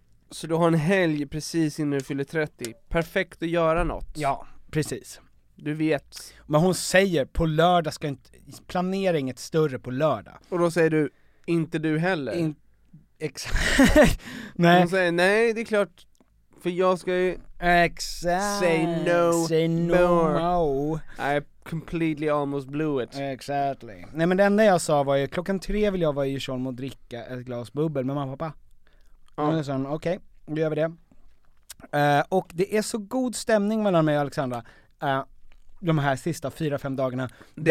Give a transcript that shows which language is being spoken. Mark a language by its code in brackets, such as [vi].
[sv] Så du har en helg precis innan du fyller 30. Perfekt att göra något. Ja, precis. Du vet. Men hon säger, på lördag ska inte, planera inget större på lördag. Och då säger du, inte du heller. Exakt. Nej. Hon säger, nej, det är klart. För jag ska ju... Exakt. [en] Say no. I completely almost blew it. Exactly. [sv] Nej, men det enda jag sa var ju, klockan 3 vill jag vara i Djursholm och dricka ett glas bubbel med mamma och pappa. Okej, då gör vi det. Och det är så god stämning mellan mig och Alexandra de här sista 4-5 dagarna. Det...